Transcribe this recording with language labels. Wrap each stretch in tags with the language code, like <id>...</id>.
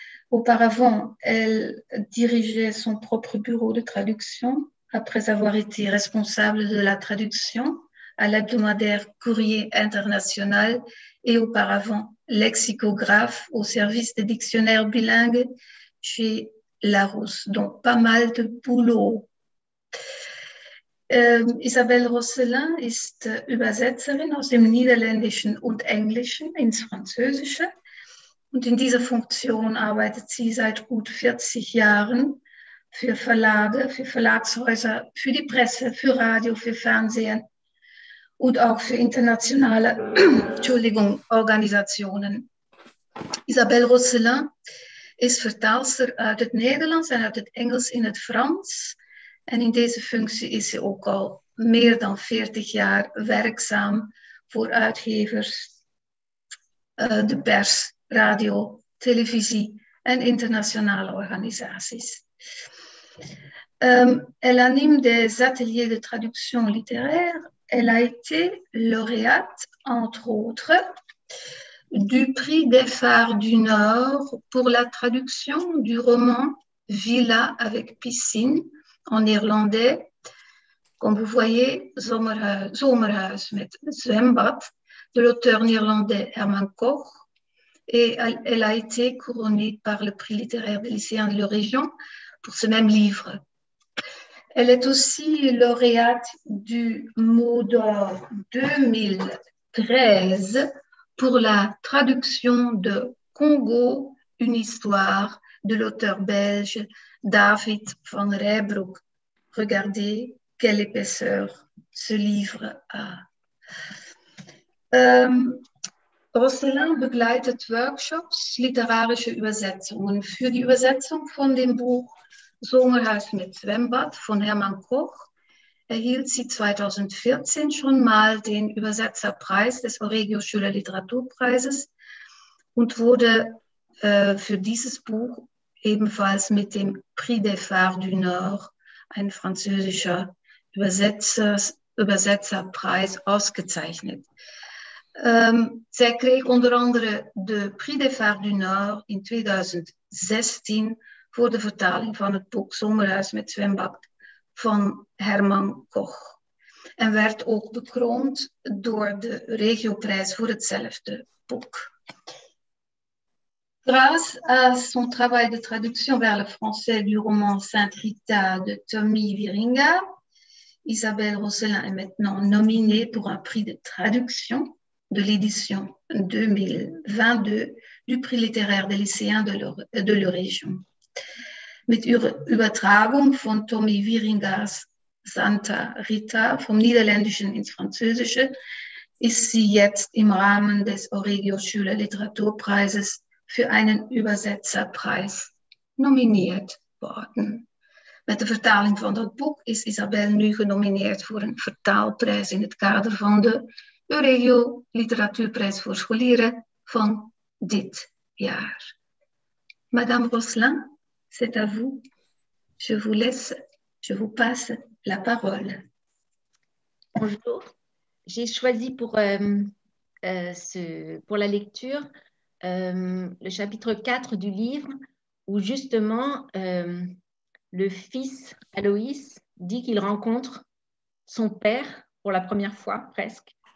<fr>Auparavant, elle dirigeait son propre bureau de traduction. Après avoir été responsable de la traduction à l'hebdomadaire Courrier International et auparavant lexicographe au service des dictionnaires bilingues chez Larousse. Donc, pas mal de boulot.</fr> <de>Isabelle Rosselin ist Übersetzerin aus dem Niederländischen und Englischen ins Französische. Und in dieser Funktion arbeitet sie seit gut 40 Jahren. Für Verlage, für Verlagshäuser, für die Presse, für Radio, für Fernsehen und auch für internationale Organisationen.</de> <nl>Isabelle Rosselin ist Vertaalster uit het Nederlands en uit het Engels in het Frans. En in deze functie is ze ook al meer dan 40 jaar werkzaam voor uitgevers, de pers, radio, televisie en internationale organisaties.</nl> <fr>Elle anime des ateliers de traduction littéraire. Elle a été lauréate, entre autres, du prix des Phares du Nord pour la traduction du roman Villa avec piscine en irlandais, comme vous voyez, Zomerhuis met zwembad, de l'auteur néerlandais Herman Koch. Et elle a été couronnée par le prix littéraire des lycéens de la région pour ce même livre. Elle est aussi lauréate du Mot d'Or 2013 pour la traduction de Congo, une histoire de l'auteur belge David van Rijbroek. Regardez quelle épaisseur ce livre a.</fr> <de>Roselin begleitet workshops, literarische Übersetzungen. Für die Übersetzung von dem Buch Zomerhuis mit Zwembad von Hermann Koch erhielt sie 2014 schon mal den Übersetzerpreis des Oregio Schüler Literaturpreises und wurde für dieses Buch ebenfalls mit dem Prix des Phares du Nord, ein französischer Übersetzerpreis, ausgezeichnet.</de> <nl>Zij kreeg onder andere de Prix des Phares du Nord in 2016 voor de vertaling van het boek Zomerhuis met Zwembad van Herman Koch. En werd ook bekroond door de regioprijs voor hetzelfde boek.</nl> <fr>Grâce à son travail de traduction vers le français du roman Sainte Rita de Tommy Wieringa, Isabelle Rosselin est maintenant nominée pour un prix de traduction de l'édition 2022 du prix littéraire des lycéens de leur région.</fr> <de>Mit Übertragung von Tommy Wieringas Santa Rita vom Niederländischen ins Französische ist sie jetzt im Rahmen des Oregio Schüler Literaturpreises für einen Übersetzerpreis nominiert worden.</de> <nl>Met de vertaling van dat boek is Isabelle nu genomineerd voor een vertaalprijs in het kader van de Oregio Literatuurprijs voor Scholieren van dit jaar.</nl> <fr>Madame Roslin, c'est à vous. Je vous laisse, je vous passe la parole. Bonjour. J'ai choisi pour la lecture le chapitre 4 du livre où justement le fils Aloïs dit qu'il rencontre son père pour la première fois presque.</fr>